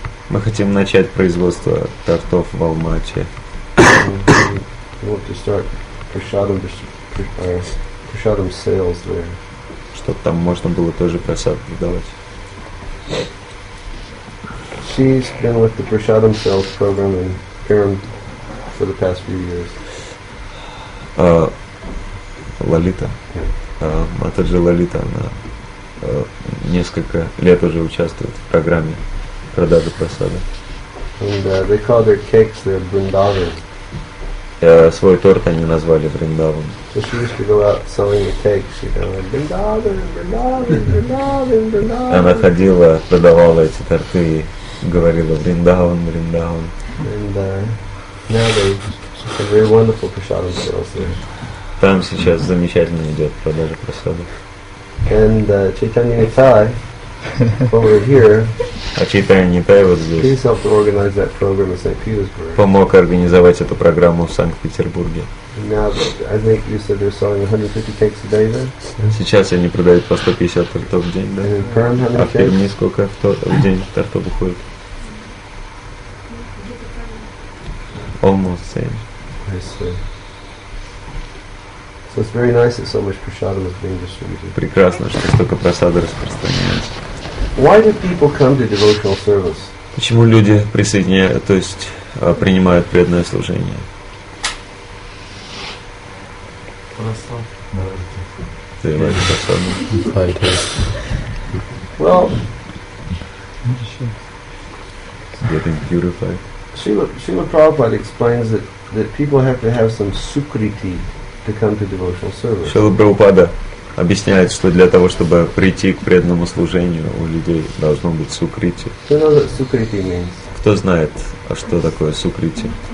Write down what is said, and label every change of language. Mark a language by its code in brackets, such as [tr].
[ru] Мы хотим начать производство тортов в Алмате. [en] We want to start prasadam sales there. [ru] Чтоб там можно было тоже просад продавать. [en] She's been with the prasadam sales program in Perm for the past few years. [ru] Лолита. Матаджи Лолита, она несколько лет уже участвует в программе продажи просада. [en] And they call their cakes their Vrindavan. [ru] Свой торт они назвали Вриндаван. [en] So she used to go out selling the cakes, you know, Vrindavan. [ru] Она ходила, продавала эти торты и говорила Вриндаван, Вриндаван. [en] And now they have very wonderful prasadam sales there. [ru] Там сейчас замечательно идет продажа просадов. [en] And Chaitanya Nitai over here. [ru] А Chaitanya Nitai вот здесь. [en] He helped organize that program in St. Petersburg. [ru] Помог организовать эту программу в Санкт-Петербурге. [en] Now, I think you said they're selling 150 cakes a day then? [ru] Сейчас они продают по 150 тортов в день, да? [en] And Perm, how many cakes? [ru] А в Перми сколько в день тортов уходит? [en] Almost same. I see. So it's very nice that so much prasadam is being distributed. [ru] Прекрасно, что столько просады распространяется. [en] Why do people come to devotional service? [ru] Почему люди присоединяют, то есть принимают преданное служение? [en] Well, it's getting purified. Srila Prabhupada explains that, that people have to have some sukriti to come to devotional service. [ru] Srila Prabhupada объясняет, что для того, чтобы прийти к преданному служению, у людей должно быть сукрити. [en] Who knows what sukriti means? [ru] Кто знает, а что такое сукрити?